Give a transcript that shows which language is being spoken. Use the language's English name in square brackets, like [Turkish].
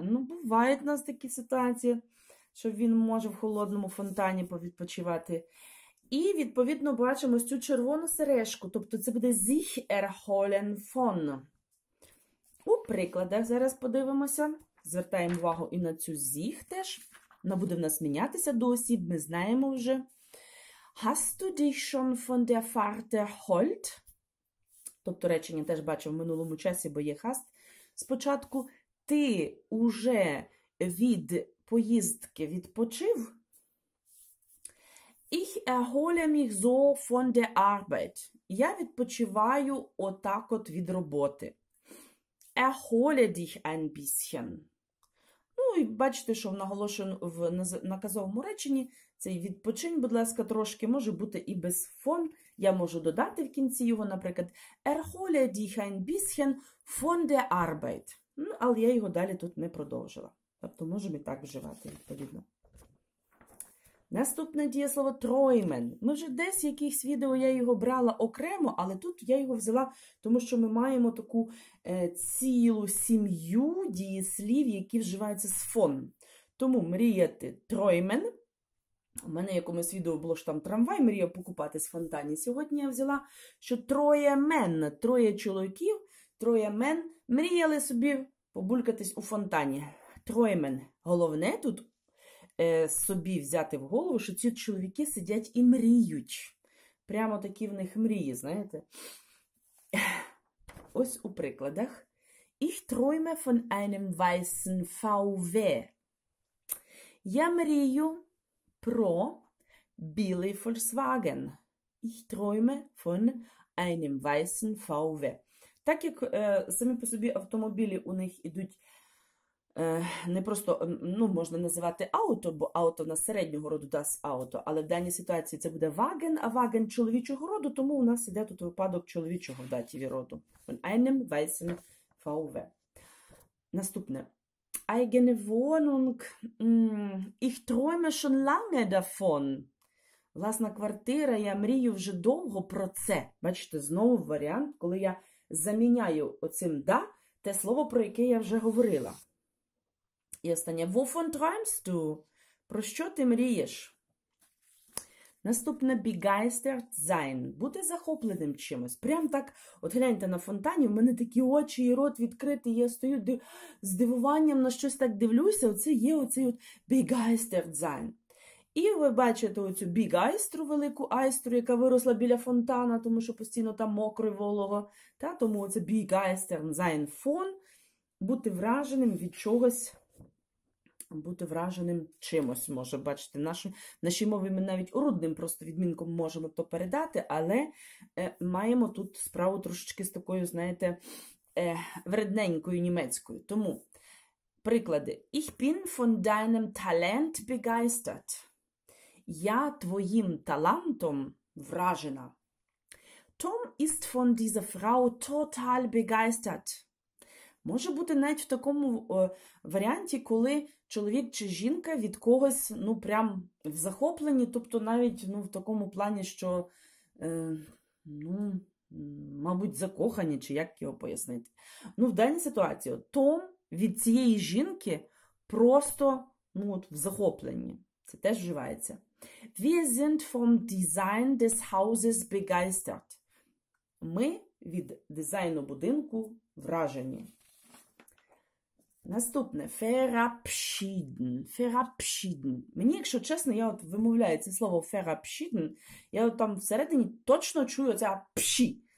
[Ukrainian] Ну, бувають в нас такі ситуації, що він може в холодному фонтані повідпочивати. І, відповідно, бачимо цю червону сережку. Тобто це буде sich erholen von. У прикладах зараз подивимося. Звертаємо увагу і на цю sich теж. Вона буде в нас мінятися досі, ми знаємо вже. [German] Hast du dich schon von der Fahrt erholt? [Ukrainian] Тобто речення теж бачив в минулому часі, бо є hast. Спочатку ти уже від поїздки відпочив? [German] Ich erhole mich so von der Arbeit. [Ukrainian] Я відпочиваю отак от від роботи. [German] Erhole dich ein bisschen. [Ukrainian] Ну і бачите, що в наголошеному в наказовому реченні цей відпочинь, будь ласка, трошки може бути і без фон. Я можу додати в кінці його, наприклад, [German] erhole dich ein bisschen von der Arbeit. [Ukrainian] Ну, але я його далі тут не продовжила. Тобто можемо і так вживати відповідно. Наступне дієслово троймен. Ми вже десь в якихось відео я його брала окремо, але тут я його взяла, тому що ми маємо таку цілу сім'ю дієслів, які вживаються з фон. Тому мріяти троймен. У мене якомусь відео було, що там трамвай мріяв покупати з фонтані. Сьогодні я взяла, що троє мен, троє чоловіків, троє мен мріяли собі побулькатись у фонтані. Троймен. Головне тут собі взяти в голову, що ці чоловіки сидять і мріють. Прямо такі в них мрії, знаєте. Ось у прикладах. [German] Ich träume von einem weißen VW. [Ukrainian] Я мрію про білий Volkswagen. [German] Ich träume von einem weißen VW. [Ukrainian] Так як самі по собі автомобілі у них ідуть не просто, ну, можна називати ауто, бо ауто на середнього роду дасть ауто, але в даній ситуації це буде ваген, а ваген чоловічого роду, тому у нас іде тут випадок чоловічого в даті роду. [German] Von einem weißen VW. [Ukrainian] Наступне. [German] Eigene Wohnung. Ich träume schon lange davon. [Ukrainian] Власна квартира, я мрію вже довго про це. Бачите, знову варіант, коли я заміняю оцим «да» те слово, про яке я вже говорила. І останнє. [German] Wovon träumst du? [Ukrainian] Про що ти мрієш? Наступне. [German] Begeistert sein. [Ukrainian] Бути захопленим чимось. Прям так, от гляньте на фонтані, в мене такі очі і рот відкриті, я стою з дивуванням на щось так дивлюся, оце є оцей от Begeistert sein. І ви бачите оцю бігайстру, велику айстру, яка виросла біля фонтана, тому що постійно там мокро і волого. Та, тому оце Begeistert sein фон. Бути враженим від чогось. Бути враженим чимось, може, бачите, наші мови ми навіть уродним просто відмінком можемо то передати, але маємо тут справу трошечки з такою, знаєте, вредненькою німецькою. Тому приклади. Ich bin von deinem Talent begeistert. Я твоїм талантом вражена. Tom ist von dieser Frau total begeistert. Може бути навіть в такому варіанті, коли чоловік чи жінка від когось, ну, прям в захопленні, тобто навіть, ну, в такому плані, що, ну, мабуть, закохані, чи як його пояснити. Ну, в даній ситуації, Том від цієї жінки просто, ну, от в захопленні. Це теж вживається. Wir sind vom Design des Hauses begeistert. Ми від дизайну будинку вражені. Наступне. Verabschieden. Verabschieden. Мені, якщо чесно, я от вимовляю це слово verabschieden, я от там всередині точно чую це пші.